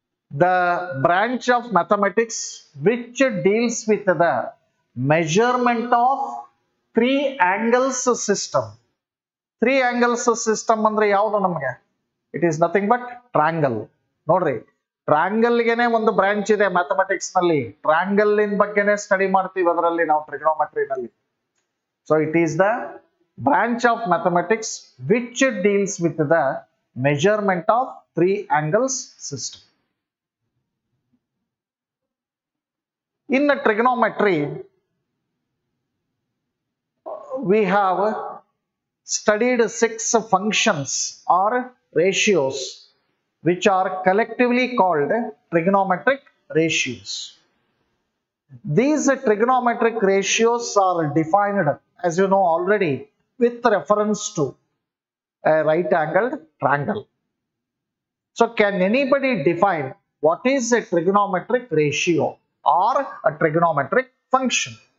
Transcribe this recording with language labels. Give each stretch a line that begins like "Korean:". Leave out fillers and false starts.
English: The branch of mathematics which deals with the measurement of three angles system.
Kannada: Three angles system andre yavudu namage?
English: It is nothing but triangle.
Kannada: Nodri. Triangle ಗೆನೆ ಒಂದು branch ಇದೆ mathematics ನಲ್ಲಿ triangle ಇನ್ ಬಗ್ಗೆನೆ study ಮಾಡ್ತೀವಿ ಅದರಲ್ಲಿ ನಾವು ಟ್ರಿಗನೋಮೆಟ್ರಿ ನಲ್ಲಿ
English: So it is the branch of mathematics which deals with the measurement of three angles system in trigonometry we have studied 6 functions or ratios which are collectively called trigonometric ratios. These trigonometric ratios are defined, as you know already, with reference to a right-angled triangle. So, can anybody define what is a trigonometric ratio or a trigonometric function?